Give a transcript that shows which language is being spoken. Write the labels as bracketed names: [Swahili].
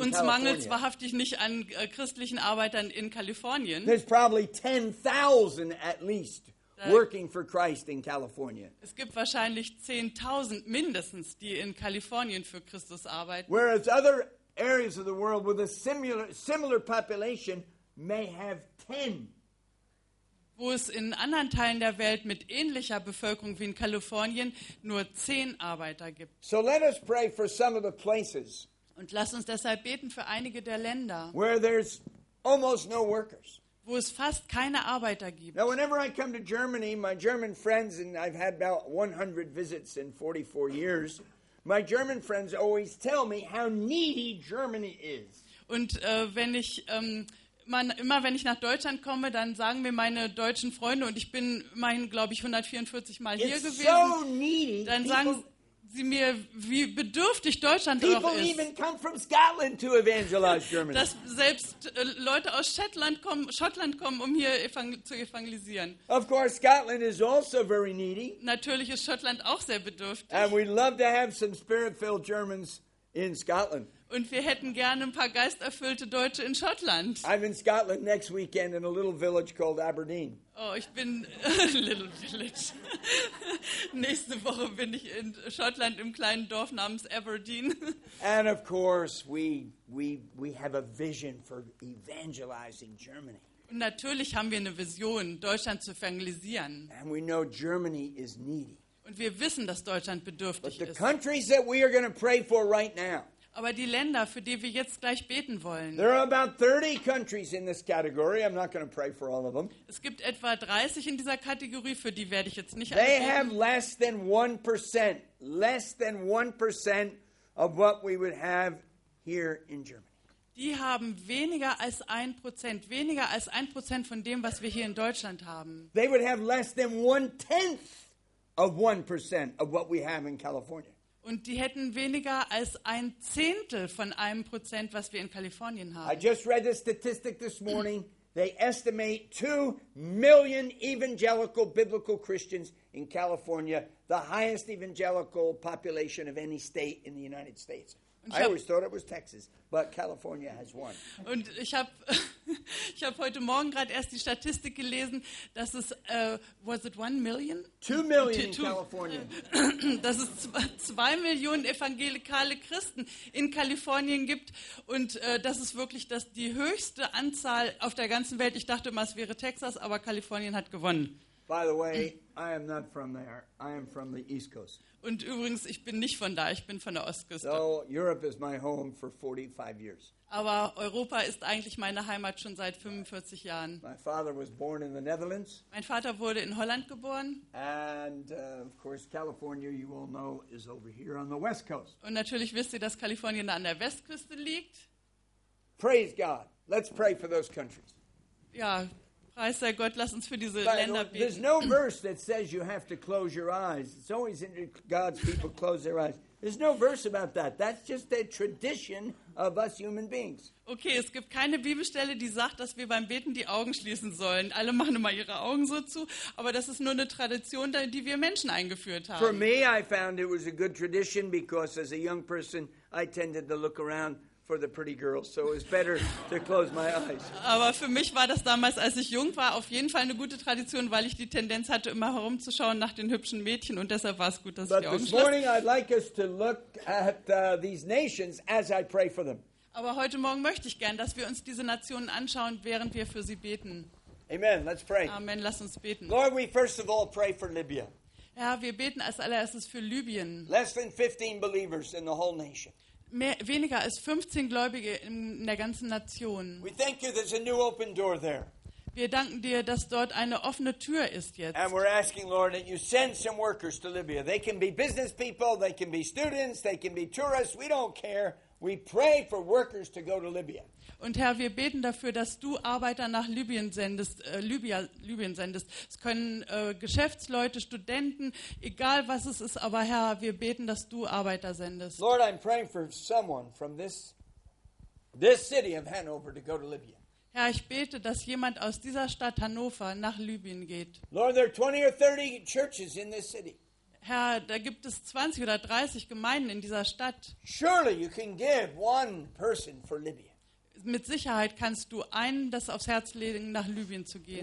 [German] Uns mangelt es wahrhaftig nicht an christlichen Arbeitern in Kalifornien. [English] There's probably 10,000 at least working for Christ in California. [German] Es gibt wahrscheinlich 10,000 mindestens, die in Kalifornien für Christus arbeiten. [English] Whereas other areas of the world with a similar population may have 10. [German] Wo es in anderen Teilen der Welt mit ähnlicher Bevölkerung wie in Kalifornien nur 10 Arbeiter gibt. [English] So let us pray for some of the places. [German] Und lass uns deshalb beten für einige der Länder. [English] Where there's almost no workers. [German] Wo es fast keine Arbeiter gibt. [English] Now whenever I come to Germany, my German friends, and I've had about 100 visits in 44 years, my German friends always tell me how needy Germany is. [German] Und wenn ich immer wenn ich nach Deutschland komme, dann sagen mir meine deutschen Freunde und ich bin mein glaube ich 144 Mal hier gewesen. [English] It's so needy. [German] Dann sagen sie mir, wie bedürftig Deutschland doch ist. [English] People even come from Scotland to evangelize Germany. [German] Dass selbst Leute aus Schottland kommen, um hier zu evangelisieren. [English] Of course, Scotland is also very needy. [German] Natürlich ist Schottland auch sehr bedürftig. [English] And we'd love to have some spirit-filled Germans in Scotland. [German] Und wir hätten gerne ein paar geisterfüllte Deutsche in Schottland. [English] I'm in Scotland next weekend in a little village called Aberdeen. [German] Oh, ich bin [English] little village. [German] Nächste Woche bin ich in Schottland im kleinen Dorf namens Aberdeen. [English] And of course, we have a vision for evangelizing Germany. [German] Natürlich haben wir eine Vision, Deutschland zu evangelisieren. [English] And we know Germany is needy. [German] Und wir wissen, dass Deutschland bedürftig ist. [English] But the countries that we are going to pray for right now. [German] Aber die Länder, für die wir jetzt gleich beten wollen. [English] There are about 30 countries in this category. I'm not going to pray for all of them. [German] Es gibt etwa 30 in dieser Kategorie, für die werde ich jetzt nicht anbeten. [English] They have less than 1%, less than 1% of what we would have here in Germany. [German] Die haben weniger als 1%, weniger als 1% von dem, was wir hier in Deutschland haben. [English] They would have less than 1/10 of 1% of what we have in California. [German] Und die hätten weniger als 1/10 von 1%, was wir in Kalifornien haben. [English] I just read the statistic this morning. They estimate 2 million evangelical biblical Christians in California, the highest evangelical population of any state in the United States. I always thought it was Texas, but California has one. [German] Und ich habe heute Morgen gerade erst die Statistik gelesen, dass es [English] was it 1 million? 2 million in California. [German] Dass es 2 Millionen evangelikale Christen in Kalifornien gibt und das ist wirklich das die höchste Anzahl auf der ganzen Welt. Ich dachte immer, es wäre Texas, aber Kalifornien hat gewonnen. [English] By the way, I am not from there. I am from the East Coast. [German] Und übrigens, ich bin nicht von da, ich bin von der Ostküste. [English] So, Europe is my home for 45 years. [German] Aber Europa ist eigentlich meine Heimat schon seit 45 Jahren. [English] My father was born in the Netherlands. [German] Mein Vater wurde in Holland geboren. [English] And of course, California, you all know, is over here on the West Coast. [German] Und natürlich wisst ihr, dass Kalifornien da an der Westküste liegt. [English] Praise God. Let's pray for those countries. [German] Ja, preis sei Gott, lass uns für diese Länder beten. [English] There's no verse that says you have to close your eyes. It's always in God's people close their eyes. There's no verse about that. That's just a tradition of us human beings. [German] Okay, es gibt keine Bibelstelle, die sagt, dass wir beim Beten die Augen schließen sollen. Alle machen immer ihre Augen so zu, aber das ist nur eine Tradition, die wir Menschen eingeführt haben. [English] For me, I found it was a good tradition because as a young person, I tended to look around for the pretty girls, so it's better to close my eyes. [German] Aber für mich war das damals, als ich jung war, auf jeden Fall eine gute Tradition, weil ich die Tendenz hatte, immer herumzuschauen nach den hübschen Mädchen und deshalb war es gut, dass ich die Augen schloss. [English] But this morning I'd like us to look at these nations as I pray for them. [German] Aber heute Morgen möchte ich gern, dass wir uns diese Nationen anschauen, während wir für sie beten. [English] Amen, let's pray. [German] Amen, lass uns beten. [English] Lord, we first of all pray for Libya. [German] Ja, wir beten als allererstes für Libyen. [English] Less than 15 believers in the whole nation. [German] Weniger als 15 Gläubige in der ganzen Nation. [English] We thank you, there's a new open door there. [German] Wir danken dir, dass dort eine offene Tür ist jetzt. [English] And we're asking, Lord, that you send some workers to Libya. They can be business people, they can be students, they can be tourists, we don't care. We pray for workers to go to Libya. [German] Und Herr, wir beten dafür, dass du Arbeiter nach Libyen sendest, Libyen sendest. Es können Geschäftsleute, Studenten, egal was es ist, aber Herr, wir beten, dass du Arbeiter sendest. [English] Lord, I'm praying for someone from this city of Hanover to go to Libya. [German] Herr, ich bete, dass jemand aus dieser Stadt Hannover nach Libyen geht. [English] Lord, there are 20 or 30 churches in this city. [German] Herr, da gibt es 20 oder 30 Gemeinden in dieser Stadt. [English] Surely you can give one person for Libya. [German] Mit Sicherheit kannst du einen das aufs Herz legen, nach Libyen zu gehen.